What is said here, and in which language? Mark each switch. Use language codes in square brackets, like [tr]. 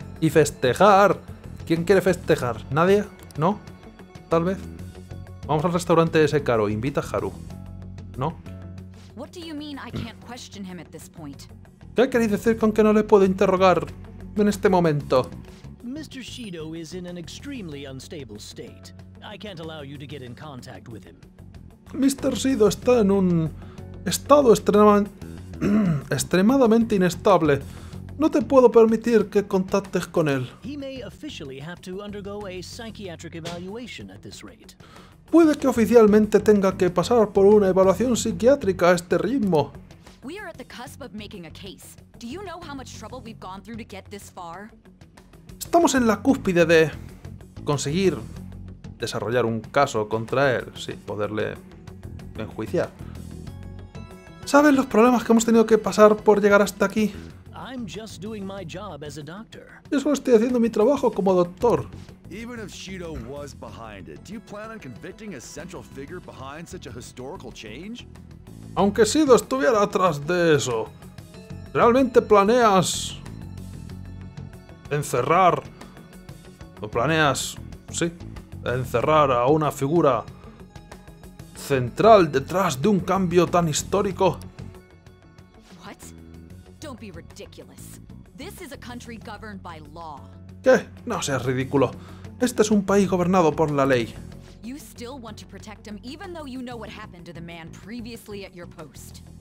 [es] ¡Y festejar! ¿Quién quiere festejar? ¿Nadie? ¿No? ¿Tal vez? Vamos al restaurante ese caro. Invita a Haru. ¿No? ¿Qué significa que no puedo... ¿Qué queréis decir con que no le puedo interrogar en este momento? [en] Mr. Sido is in an extremely unstable state. I can't allow you to get in contact with him. [es] Mr. Sido está en un estado extremadamente inestable. No te puedo permitir que contactes con él. [en] He may officially have to undergo a psychiatric evaluation at this rate. [es] Puede que oficialmente tenga que pasar por una evaluación psiquiátrica a este ritmo. [en] We are at the cusp of making a case. Do you know how much trouble we've gone through to get this far? [es] Estamos en la cúspide de conseguir desarrollar un caso contra él, sí, poderle enjuiciar. ¿Sabes los problemas que hemos tenido que pasar por llegar hasta aquí? [en] I'm just doing my job as a doctor. [es] Yo solo estoy haciendo mi trabajo como doctor. [en] Even if Sido was behind it, do you plan on convicting a central figure behind such a historical change? [es] Aunque Sido estuviera atrás de eso, ¿realmente planeas encerrar? ¿O planeas, sí, encerrar a una figura central detrás de un cambio tan histórico? [en] What? Don't be ridiculous. This is a country governed by law. [es] ¿Qué? No seas ridículo. Este es un país gobernado por la ley. [en] You still want to protect him even though you know what happened to the man previously at your post.